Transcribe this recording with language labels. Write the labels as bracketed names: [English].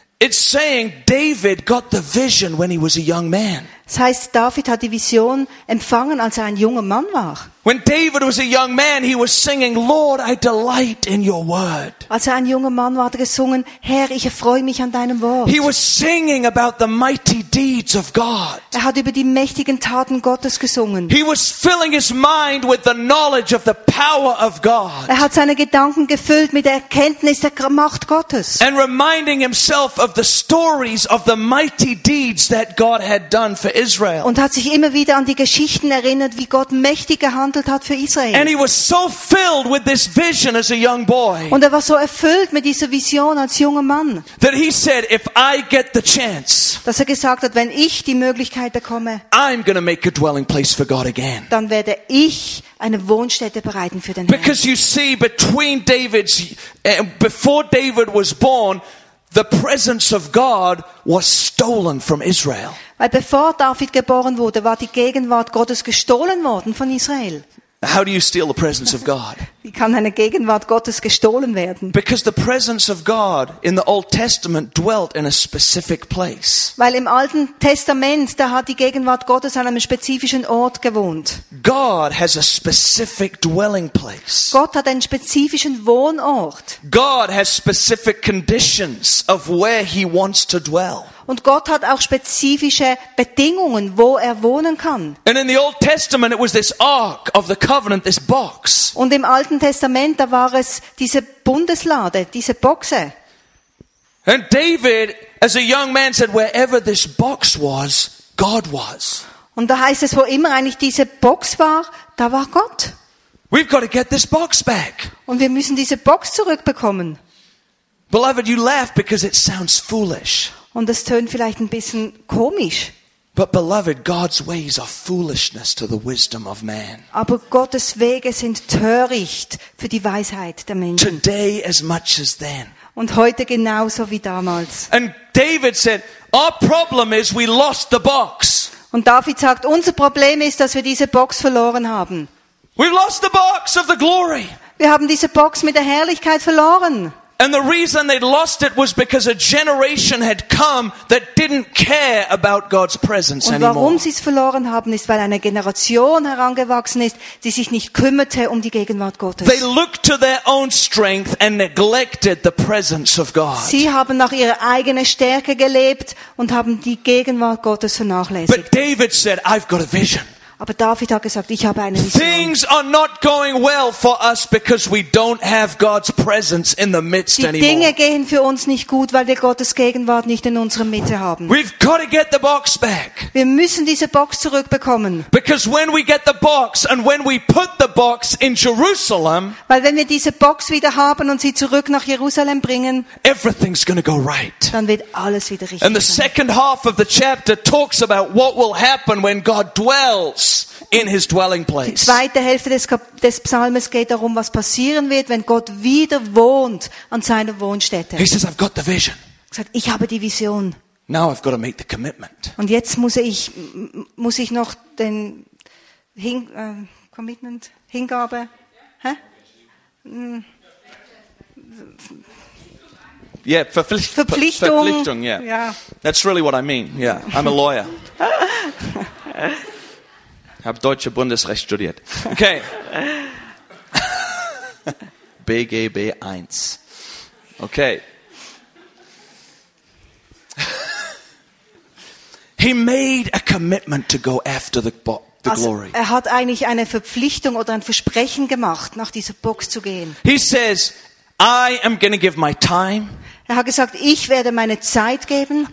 [English] It's saying David got the vision when he was a young man. [German] Das heißt, David hat die Vision empfangen, als er ein junger Mann war. [English] When David was a young man, he was singing, Lord, I delight in your word. [German] Als er ein junger Mann war, hat er gesungen, Herr, ich erfreue mich an deinem Wort. [English] He was singing about the mighty deeds of God. [German] Er hat über die mächtigen Taten Gottes gesungen. [English] He was filling his mind with the knowledge of the power of God. [German] Er hat seine Gedanken gefüllt mit der Erkenntnis der Macht Gottes. [English] And reminding himself of the stories of the mighty deeds that God had done for Israel. [German] Und hat sich immer wieder an die Geschichten erinnert, wie Gott mächtig gehandelt hat für Israel. [English] And he was so filled with this vision as a young boy. [German] Und er war so erfüllt mit dieser Vision als junger Mann. [English] That he said, if I get the chance. [German] Dass er gesagt hat, wenn ich die Möglichkeit bekomme. [English] I'm going to make a dwelling place for God again. [German] Dann werde ich eine Wohnstätte bereiten für den Herrn. [English] Because you see, between David's, before David was born, the presence of God was stolen from Israel. [German] Weil bevor David geboren wurde, war die Gegenwart Gottes gestohlen worden von Israel. [English] How do you steal the presence of God? [German] Wie kann eine Gegenwart Gottes gestohlen werden? [English] Because the presence of God in the Old Testament dwelt in a specific place. [German] Weil im Alten Testament, da hat die Gegenwart Gottes an einem spezifischen Ort gewohnt. [English] God has a specific dwelling place. [German] Gott hat einen spezifischen Wohnort. [English] God has specific conditions of where he wants to dwell. [German] Und Gott hat auch spezifische Bedingungen, wo er wohnen kann. [English] And in the Old Testament it was this ark of the covenant, this box. [German] Und im Alten Testament da war es diese Bundeslade, diese Boxe. [English] And David as a young man said wherever this box was, God was. [German] Und da heißt es, wo immer eigentlich diese Box war, da war Gott. [English] We've got to get this box back. [German] Und wir müssen diese Box zurückbekommen. [English] Beloved, you laugh because it sounds foolish. [German] Und das tönt vielleicht ein bisschen komisch. [English] But beloved, God's ways are foolishness to the wisdom of man. [German] Aber Gottes Wege sind töricht für die Weisheit der Menschen. [English] Today as much as then. [German] Und heute genauso wie damals. [English] And David said, our problem is we lost the box. [German] Und David sagt, unser Problem ist, dass wir diese Box verloren haben. [English] We've lost the box of the glory. [German] Wir haben diese Box mit der Herrlichkeit verloren. [English] And the reason they lost it was because a generation had come that didn't care about God's presence anymore. [German] Und warum sie es verloren haben, ist, weil eine Generation herangewachsen ist, die sich nicht kümmerte um die Gegenwart Gottes. [English] They looked to their own strength and neglected the presence of God. [German] Sie haben nach ihrer eigenen Stärke gelebt und haben die Gegenwart Gottes vernachlässigt. [English] But David said, I've got a vision. [German] Aber David hat gesagt, ich habe eine Vision. [English] Things are not going well for us because we don't have God's presence in the midst anymore. [German] Die Dinge gehen für uns nicht gut, weil wir Gottes Gegenwart nicht in unserer Mitte haben. [English] We've got to get the box back. [German] Wir müssen diese Box zurückbekommen. [English] Because when we get the box and when we put the box in Jerusalem, [German] weil wenn wir diese Box wieder haben und sie zurück nach Jerusalem bringen, [English] everything's going to go right. [German] Dann wird alles wieder richtig. [English] And the second half of the chapter talks about what will happen when God dwells in his dwelling place. [German] Die zweite Hälfte des Psalms geht darum, was passieren wird, wenn Gott wieder wohnt an seiner Wohnstätte. [English] He says, I've got the vision. [German] Er sagt, ich habe die Vision. [English] Now I've got to make the commitment. [German] Und jetzt muss ich noch den Commitment, Hingabe, [English] Yeah, Verpflichtung, yeah. [German] Ja. [English] That's really what I mean. Yeah, I'm a lawyer. [German] Ich habe deutsche Bundesrecht studiert. Okay. BGB 1. Okay. [English] He made a commitment to go after the glory. [German] Er hat eigentlich eine Verpflichtung oder ein Versprechen gemacht, nach dieser Box zu gehen. [English] He says, I am going to give my time. [German] Er hat gesagt, ich werde meine Zeit geben.